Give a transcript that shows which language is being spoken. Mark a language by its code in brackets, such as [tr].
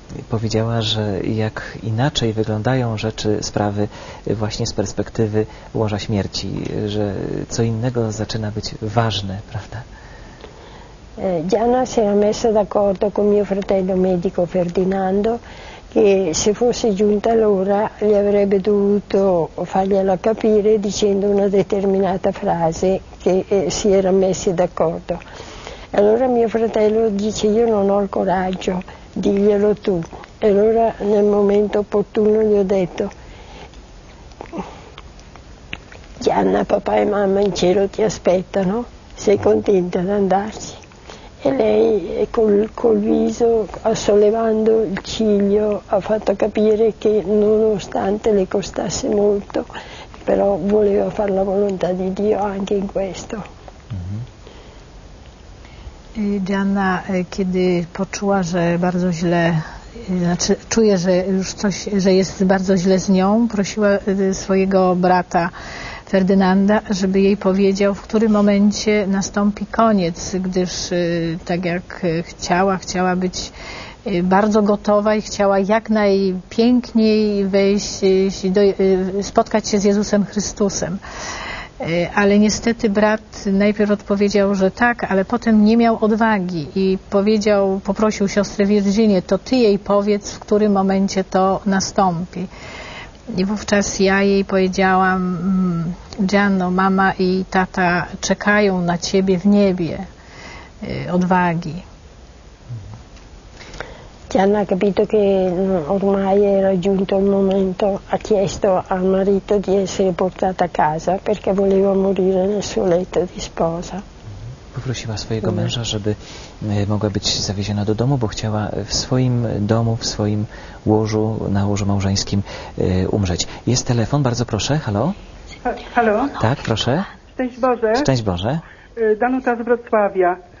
[pl] Powiedziała, że jak inaczej wyglądają rzeczy, sprawy właśnie z perspektywy łoża śmierci, że co innego zaczyna być ważne, prawda? [it] Gianna si era messa d'accordo con mio fratello medico Ferdinando che se fosse giunta l'ora gli avrebbe dovuto farglielo capire dicendo una determinata frase che si era messi d'accordo. Allora mio fratello dice io non ho il coraggio, diglielo tu. E allora nel momento opportuno gli ho detto Gianna, papà e mamma in cielo ti aspettano, sei contenta di andarci? E lei col viso, sollevando il ciglio, ha fatto capire che nonostante le costasse molto, però voleva fare la volontà di Dio anche in questo. [pl] Gianna, kiedy poczuła, że bardzo źle, znaczy czuje, że już coś, że jest bardzo źle z nią, prosiła swojego brata Ferdynanda, żeby jej powiedział, w którym momencie nastąpi koniec, gdyż tak jak chciała być bardzo gotowa i chciała jak najpiękniej wejść, spotkać się z Jezusem Chrystusem. Ale niestety brat najpierw odpowiedział, że tak, ale potem nie miał odwagi i powiedział, poprosił siostrę Virginię, to ty jej powiedz, w którym momencie to nastąpi. I wówczas ja jej powiedziałam, Gianno, mama i tata czekają na ciebie w niebie, odwagi. [it] Gianna ha capito che ormai era giunto il momento, ha chiesto al marito di essere portata a casa perché voleva morire nel suo letto di sposa. [pl] Poprosiła swojego męża, żeby mogła być zawieziona do domu, bo chciała w swoim domu, w swoim łożu, na łożu małżeńskim umrzeć. Jest telefon, bardzo proszę, halo? Halo? Tak, proszę. Szczęść Boże. Szczęść Boże. Danuta z Wrocławia.